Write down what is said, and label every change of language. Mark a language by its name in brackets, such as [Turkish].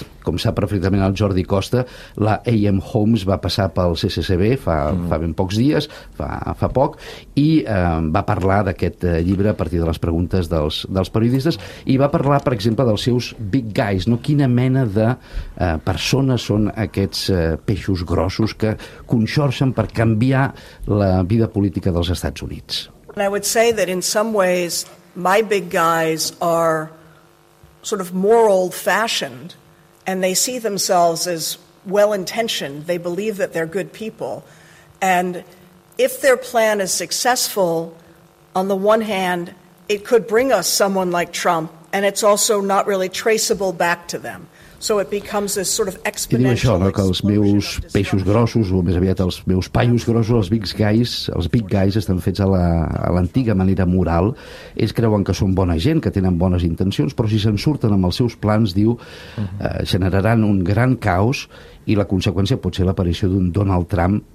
[Catalan] Com sap perfectament el Jordi Costa, la A.M. Holmes va passar pel CCCB fa ben pocs dies, fa poc, i va parlar d'aquest llibre a partir de les preguntes dels periodistes, i va parlar, per exemple, dels seus big guys, no? Quina mena de persones són aquests peixos grossos que conxorxen per canviar la vida política dels Estats Units. [English] I would say that in some ways my big guys are sort of more old-fashioned, and they see themselves as well-intentioned. They believe that they're good people. And if their plan is successful, on the one hand, it could bring us someone like Trump, and it's also not really traceable back to them. So it becomes this sort of exponential. [Catalan] I diu això, no? Que els meus peixos grossos, o més aviat els meus paios grossos, els big guys estan fets a l'antiga manera moral. Ells creuen que són bona gent, que tenen bones intencions, però si se'n surten amb els seus plans, diu, generaran un gran caos, i la conseqüència pot ser l'aparició d'un Donald Trump.